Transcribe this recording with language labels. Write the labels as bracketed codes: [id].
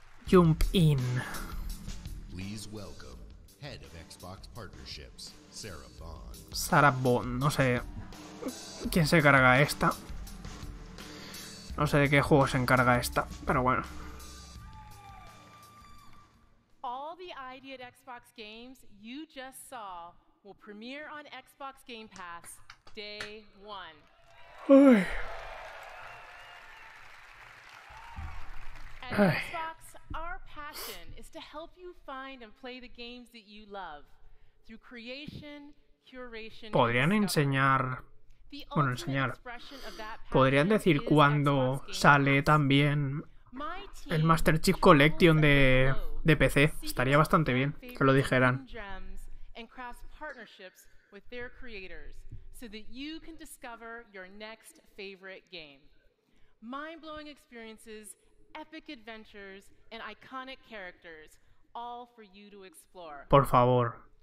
[en] Jump in. Please welcome head of Xbox partnerships, Sarah Bond. [es] Sarah Bond, no sé quién se encarga esta. No sé de qué juego se encarga esta, pero bueno. [en] All the ID at Xbox games you just saw will premiere on Xbox Game Pass day one. Uy. At Xbox, our passion is to help you find and play the games that you love through creation, curation. [es] Podrían enseñar, bueno, enseñar. Podrían decir cuándo sale también el Master Chief Collection de de PC. Estaría bastante bien que lo dijeran. [en] With their creators, so that you can discover your next favorite game. Mind-blowing experiences, epic adventures, and iconic characters, all for you to explore. [es] Por favor.